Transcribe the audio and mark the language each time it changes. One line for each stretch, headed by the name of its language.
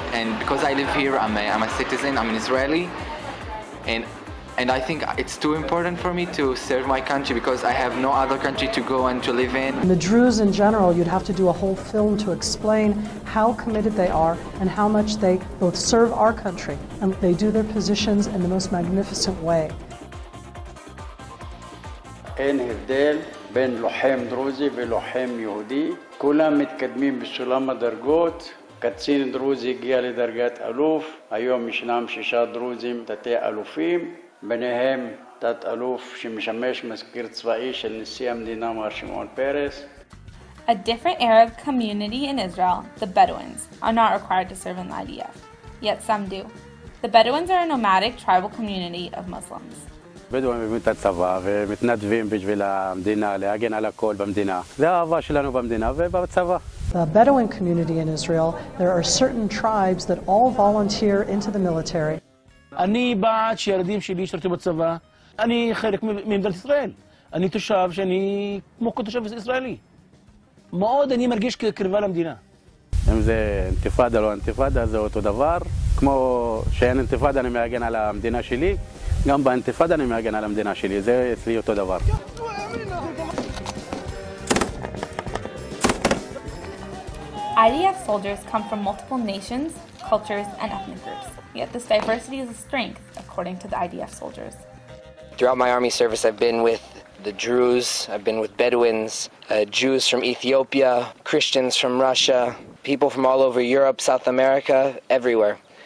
English: And because I live here, I'm a citizen, I'm an Israeli. And I think it's too important for me to serve my country because I have no other country to go and to live in. The Druze in general, you'd have to do a whole film to explain how committed they are and how much they both serve our country. And they do their positions in the most magnificent way.
Hebrew: אין הבדל בין לוחם דרוזי ולוחם יהודי. כולם מתקדמים בסולם הדרגות. קצין דרוזי הגיע לדרגת אלוף. היום ישנם שישה דרוזים תתי אלופים. ביניהם תת אלוף שמשמש מזכיר צבאי של נשיא המדינה מר שמעון פרס.
English: A different Arab community in Israel, the Bedouins, are not required to serve in the IDF. Yet some do. The Bedouins are a nomadic tribal community of Muslims.
Hebrew: בדואים מבינים את הצבא ומתנדבים בשביל המדינה, להגן על הכל במדינה. זה האהבה שלנו במדינה ובצבא.
English: The Bedouin community in Israel, there are certain tribes that all volunteer into the military.
Hebrew: אני בעד שהילדים שלי ישרתו בצבא. אני חלק ממדינת ישראל. אני תושב שאני כמו כל תושב ישראלי. מאוד אני מרגיש כקרבה למדינה. אם זה אינתיפאדה או לא אינתיפאדה, זה אותו דבר. כמו שאין אינתיפאדה, אני מאגן על המדינה שלי. גם באינתיפאדה אני מאגן על המדינה שלי, זה אצלי אותו דבר.
English: IDF soldiers come from multiple nations, cultures, and ethnic groups. Yet this diversity is a strength, according to the IDF soldiers. Throughout my army service, I've been with the Druze, I've been with Bedouins, Jews from Ethiopia, Christians from Russia, people from all over Europe, South America, everywhere.